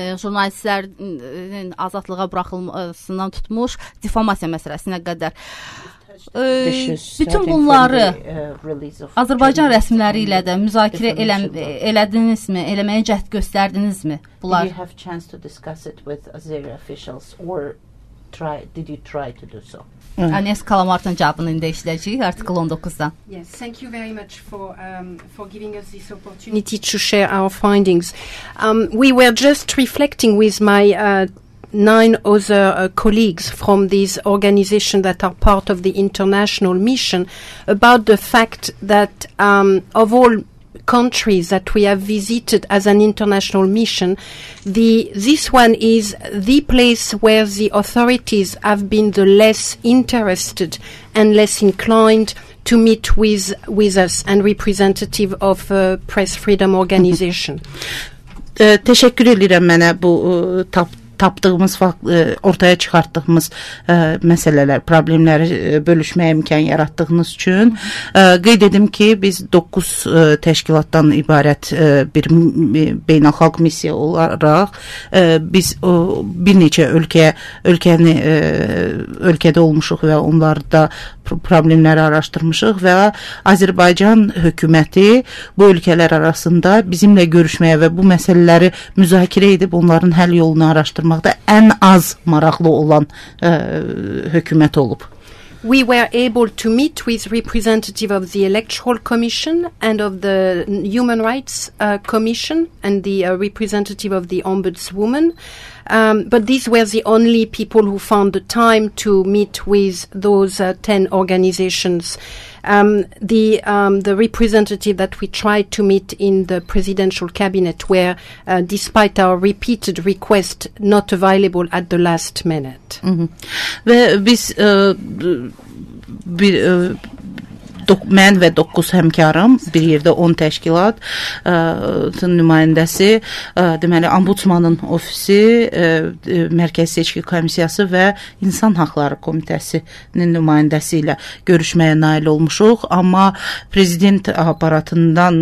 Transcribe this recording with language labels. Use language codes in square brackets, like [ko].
[az] jurnalistlərin azadlığa buraxılmasından tutmuş diffamasiya məsələsinə qədər. Bütün bunları Azərbaycan rəsmiləri ilə də müzakirə elədinizmi, eləməyə cəhd göstərdinizmi? Bunlar. [en] Did you have chance to discuss it with Azeri officials or try did you try to do so? [az] Anes Kalamart'ın cevabını indi işləyəcəyik artikel 19'dan. [en] Yes, thank you very much for giving us this opportunity to share our findings. We were just reflecting with my 9 other colleagues from these organizations that are part of the international mission about the fact that of all countries that we have visited as an international mission, this one is the place where the authorities have been the less interested and less inclined to meet with us and representative of press freedom organization. [tr] Teşekkür ederim [az] mənə bu tapdığımız ortaya çıxartdığımız məsələlər, problemləri bölüşməyə imkan yaratdığınız üçün qeyd edim ki, biz 9 təşkilatdan ibarət bir beynəlxalq missiya olaraq biz bir neçə ölkədə olmuşuq və onlarda problemləri araşdırmışıq və Azərbaycan hökuməti bu ölkələr arasında bizimlə görüşməyə və bu məsələləri müzakirə edib onların həll yolunu araşdırmaq ən az maraqlı olan hökumət olub. [en] We were able to meet with representative of the Electoral Commission and of the Human Rights Commission and the representative of the Ombudswoman. But these were the only people who found the time to meet with those 10 organizations. The representative that we tried to meet in the presidential cabinet were, despite our repeated request, not available at the last minute. [az] Ve biz bir mən və 9 həmkarım, bir yerdə 10 təşkilatın nümayəndəsi, deməli Ombudsmanın ofisi, Mərkəzi Seçki Komissiyası və İnsan Haqları Komitəsinin nümayəndəsi ilə görüşməyə nail olmuşuq, amma prezident aparatının